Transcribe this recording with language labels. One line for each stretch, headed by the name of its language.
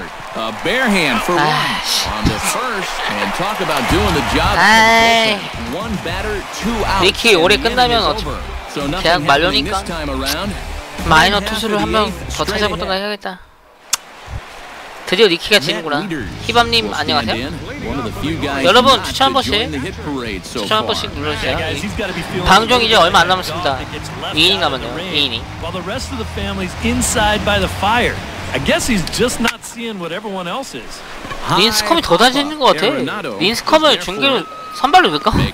English: A bare hand for one on the first, and talk about doing the job. One batter, two outs.
Korean: 미키 올해 끝나면 계약 만료니까 마이너 투수를 한 명 더 찾아보던가 해야겠다. 드디어 니키가 지는구나. 희밤님 안녕하세요. 여러분 추천 한 번씩 눌러주세요. 방종 이제 얼마 안 남았습니다. 2이닝 남았네요. 2이닝.
English: While the rest of the family's inside by the fire. I guess he's just not seeing what everyone else is.
Korean: 린스컴이 더 다지는 것 같아. 린스컴을 중계로 선발로 넣을까?